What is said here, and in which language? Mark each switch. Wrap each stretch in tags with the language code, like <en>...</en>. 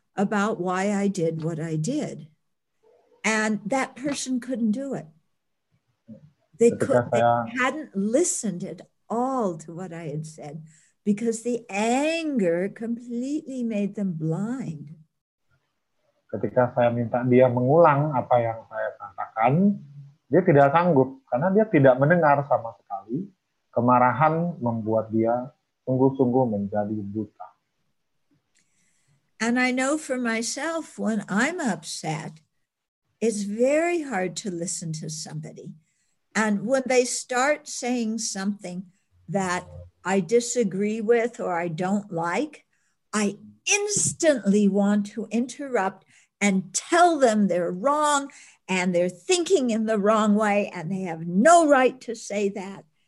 <en>about why I did what I did. And that person couldn't do it. They hadn't listened at all to what I had said, because the anger completely made them blind.</en> <id>Ketika saya minta dia mengulang apa yang saya katakan, dia tidak sanggup karena dia tidak mendengar sama sekali. Kemarahan membuat dia sungguh-sungguh menjadi buta.</id> <en>And I know for myself, when I'm upset, it's very hard to listen to somebody. And when they start saying something that I disagree with or I don't like, I instantly want to interrupt and tell them they're wrong and they're thinking in the wrong way and they have no right to say that.</en>